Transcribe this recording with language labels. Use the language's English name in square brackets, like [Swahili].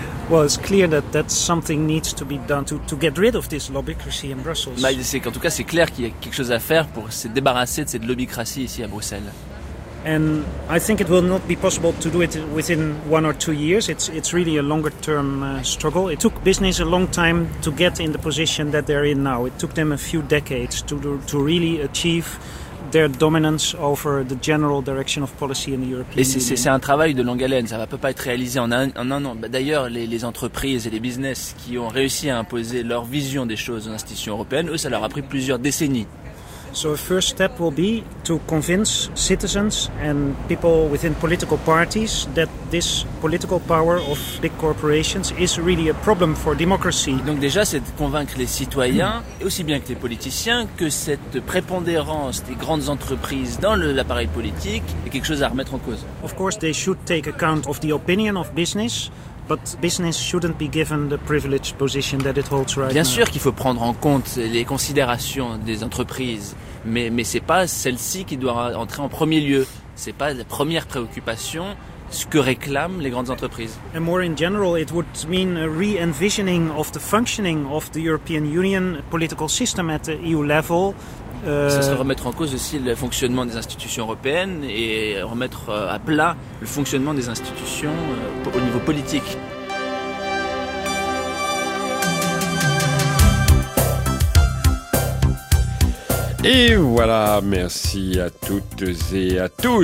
[English] Well, it's clear that something needs to be done to get rid of this lobbycracy in Brussels. [French] Bah, c'est qu'en tout cas, c'est clair qu'il y a quelque chose à faire pour se débarrasser de cette lobbycratie ici à Bruxelles. [English] And I think it will not be possible to do it within one or two years. It's really a longer term struggle. It took business a long time to get in the position that they're in now. It took them a few decades to really achieve their dominance over the general direction of policy in the European Union. [French] C'est un travail de longue haleine, ça ne peut pas être réalisé en un an. D'ailleurs, les entreprises et les business qui ont réussi à imposer leur vision des choses aux institutions européennes, eux, ça leur a pris plusieurs décennies. [English] So a first step will be to convince citizens and people within political parties that this political power of big corporations is really a problem for democracy. [French] Donc déjà, c'est de convaincre les citoyens, aussi bien que les politiciens, que cette prépondérance des grandes entreprises dans l'appareil politique est quelque chose à remettre en cause. [English] Of course, they should take account of the opinion of business. But business shouldn't be given the privileged position that it holds right now. [French] Bien sûr qu'il faut prendre en compte les considérations des entreprises, mais c'est pas celle-ci qui doit entrer en premier lieu. C'est pas la première préoccupation ce que réclament les grandes entreprises. [English] And more in general, it would mean a re-envisioning of the functioning of the European Union political system at the EU level. [French] Ça serait remettre en cause aussi le fonctionnement des institutions européennes et remettre à plat le fonctionnement des institutions au niveau politique. Et voilà, merci à toutes et à tous.